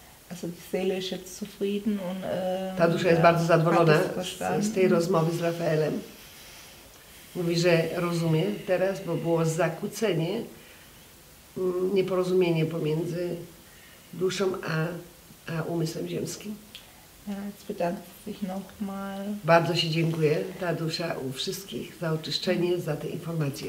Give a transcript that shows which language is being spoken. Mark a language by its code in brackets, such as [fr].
[de] Also die Seele ist jetzt zufrieden und [pl] ta dusza jest bardzo zadowolona z tej rozmowy z Rafaelem. Mówi, że rozumie teraz, bo było zakłócenie, nieporozumienie pomiędzy duszą a umysłem ziemskim. [de] Ja, jetzt bedanke ich mich nochmal. [pl] Bardzo się dziękuję, Tadusza, u wszystkich za oczyszczenie, za te informacje.